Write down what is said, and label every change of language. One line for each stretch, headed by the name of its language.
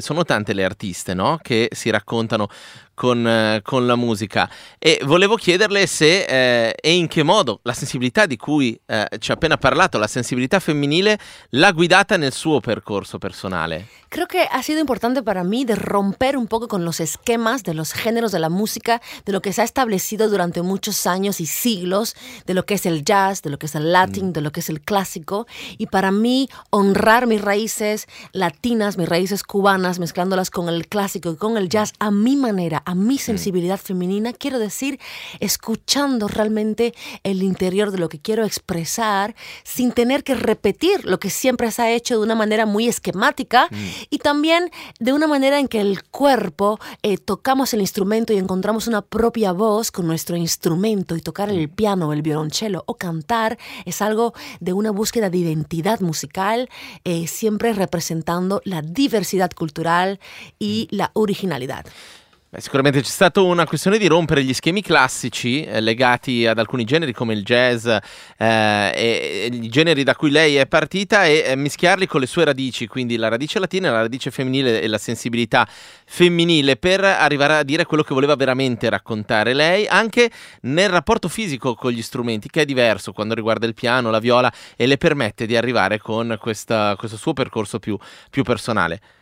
Italian: Sono tante le artiste, no, che si raccontano con la musica, e volevo chiederle se e in che modo la sensibilità di cui ci ha appena parlato, la sensibilità femminile, l'ha guidata nel suo percorso personale.
Spanish: Creo que ha sido importante para mí de romper un poco con los esquemas de los géneros de la música, de lo que se ha establecido durante muchos años y siglos, de lo que es el jazz, de lo que es el latín, de lo que es el clásico, y para mí honrar mis raíces latinas, mis raíces cubanas, mezclándolas con el clásico y con el jazz a mi manera, a mi sensibilidad femenina, quiero decir, escuchando realmente el interior de lo que quiero expresar, sin tener que repetir lo que siempre se ha hecho de una manera muy esquemática, y también de una manera en que el cuerpo, tocamos el instrumento y encontramos una propia voz con nuestro instrumento, y tocar el piano, el violonchelo o cantar es algo de una búsqueda de identidad musical, siempre representando la diversidad cultural y la originalidad.
Italian: Beh, sicuramente c'è stata una questione di rompere gli schemi classici legati ad alcuni generi come il jazz, e i generi da cui lei è partita, e mischiarli con le sue radici, quindi la radice latina, la radice femminile e la sensibilità femminile, per arrivare a dire quello che voleva veramente raccontare lei, anche nel rapporto fisico con gli strumenti, che è diverso quando riguarda il piano, la viola, e le permette di arrivare con questo suo percorso più personale.